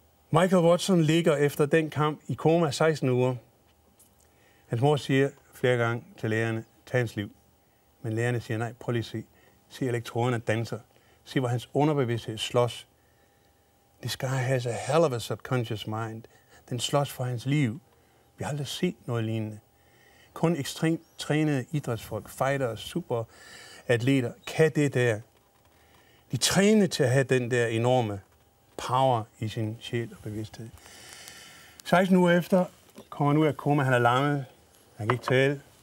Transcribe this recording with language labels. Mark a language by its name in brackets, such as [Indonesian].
[Danish] Michael Watson ligger efter den kamp i koma 16 uger. Hans mor siger flere gange til lægerne, tag hans liv. Men lægerne siger, nej, prøv lige at se. Se elektroderne danser. Se, hvor hans underbevidsthed slås. [English] This guy has a hell of a subconscious mind. [Danish] Den slås for hans liv. Vi har aldrig set noget lignende. Kun ekstremt trænede idrætsfolk, fighters, superatleter, kan det der. De trænede til at have den der enorme power i sin sjæl og bevidsthed. 16 uger efter kommer han ud af koma. Han er lammet. Han kan ikke tale.